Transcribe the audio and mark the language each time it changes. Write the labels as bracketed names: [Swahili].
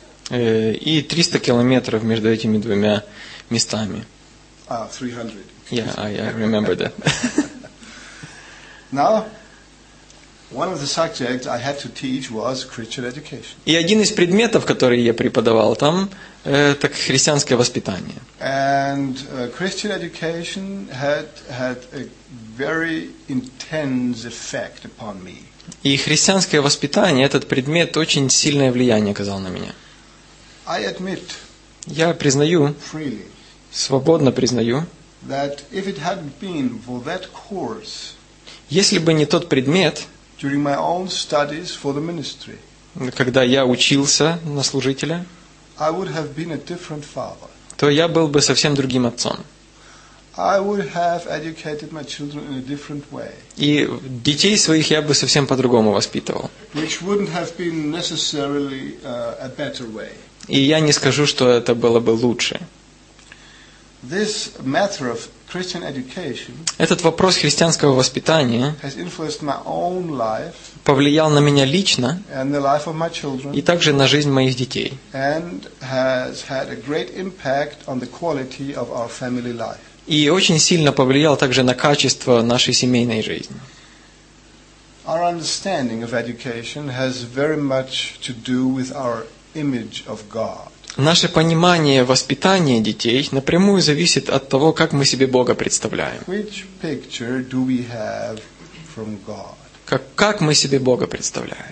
[Russian] И 300 километров между этими двумя местами. 300. [English] Yeah, I remember that. Now, one of the subjects I had to teach was Christian education. [Russian] И один из предметов, который я преподавал там, это христианское воспитание. [English] And Christian education had a very intense effect upon me. [Russian] И христианское воспитание, этот предмет, очень сильное влияние оказал на меня. [English] I admit. [Russian] Я признаю. [English] Freely. [Russian] Свободно признаю. [English] That if it hadn't been for that course. [Russian] Если бы не тот предмет. [English] During my own studies for the ministry. [Russian] Когда я учился на служителя. [English] I would have been a different father. [Russian] То я был бы совсем другим отцом. [English] I would have educated my children in a different way. [Russian] И детей своих я бы совсем по-другому воспитывал. [English] Which wouldn't have been necessarily a better way. [Russian] И я не скажу, что это было бы лучше. [English] This matter of Christian education. [Russian] Этот вопрос христианского воспитания [English] has influenced my own life. [Russian] Повлиял на меня лично. [English] And the life of my children. [Russian] И также на жизнь моих детей. [English] And has had a great impact on the quality of our family life. [Russian] И очень сильно повлиял также на качество нашей семейной жизни. [English] Our understanding of education has very much to do with our image of God. [Russian] Наше понимание воспитания детей напрямую зависит от того, как мы себе Бога представляем. [English] Which picture do we have from God? [Russian] Как мы себе Бога представляем?